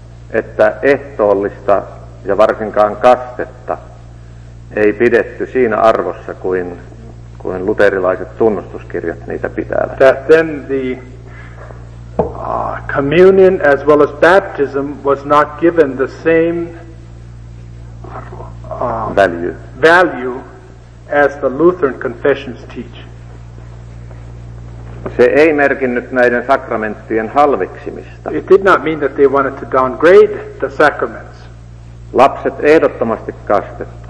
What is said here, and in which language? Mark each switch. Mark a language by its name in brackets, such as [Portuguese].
[Finnish] Että ehtoollista ja varsinkaan kastetta ei pidetty siinä arvossa kuin luterilaiset tunnustuskirjat niitä pitävät. [English] That then the communion as well as baptism was not given the same value as the Lutheran confessions teach. [Finnish] Se ei merkinnyt näiden sakramenttien halveksimista. [English] It did not mean that they wanted to downgrade the sacraments. [Finnish] Lapset ehdottomasti kastettiin.